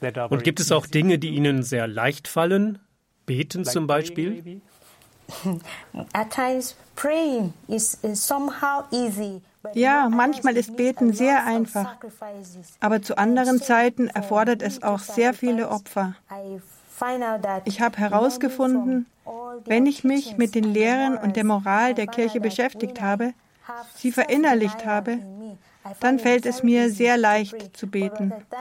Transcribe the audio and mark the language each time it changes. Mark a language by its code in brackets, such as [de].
[de] Und gibt es auch Dinge, die Ihnen sehr leicht fallen? Beten zum Beispiel? [en] At times praying is somehow easy. [de] Ja, manchmal ist Beten sehr einfach. Aber zu anderen Zeiten erfordert es auch sehr viele Opfer. Ich habe herausgefunden, wenn ich mich mit den Lehren und der Moral der Kirche beschäftigt habe, sie verinnerlicht habe, dann fällt es mir sehr leicht zu beten.